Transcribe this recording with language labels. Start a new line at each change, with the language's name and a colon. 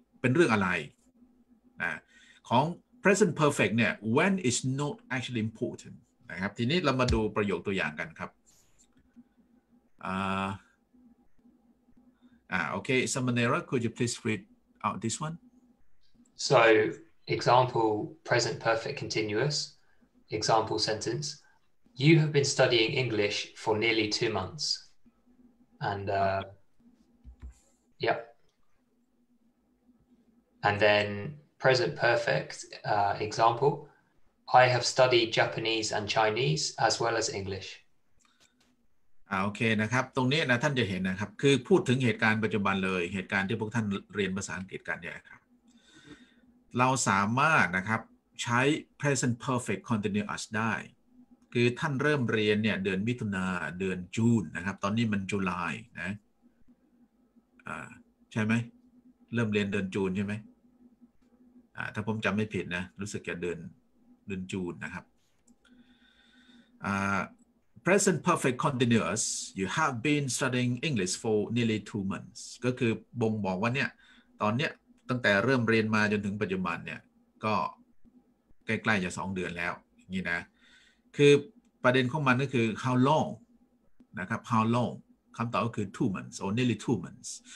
Thai: เป็นเรื่องอะไรนะของ present perfect เนี่ย
English: when is not actually important
Thai: นะครับทีนี้เรามาดูประโยคตัวอย่างกันครับ
English: Okay, Samanera, could you please read out this one? So, example, present perfect continuous, example sentence. You have been studying English for nearly 2 months. And, yeah. And then present perfect example. I have studied Japanese and Chinese as well as English.
Thai: โอเคนะครับตรงนี้นะท่านจะเห็นนะครับคือพูดถึงเหตุการณ์ปัจจุบันเลยเหตุการณ์ที่พวกท่านเรียนภาษาอังกฤษกันเนี่ยครับเราสามารถนะครับใช้ present perfect continuous ได้คือท่านเริ่มเรียนเนี่ยเดือนมิถุนาเดือนจูนนะครับตอนนี้มันกรกฎาคมนะ ใช่ไหมเริ่มเรียนเดือนจูนใช่ไหมถ้าผมจำไม่ผิดนะรู้สึกจะเดือนจูนนะครับPresent perfect continuous.
English: You have been studying English for nearly 2 months.
Thai: ก็คือบ่งบอกว่าเนี่ยตอนเนี้ยตั้งแต่เริ่มเรียนมาจนถึงปัจจุบันเนี่ยก็ใกล้ๆจะ2 เดือนแล้วอย่างนี้นะคือประเด็นของมันก็คือ how long นะครับ how long คำตอบก็คือ
English: 2 months or nearly 2 months.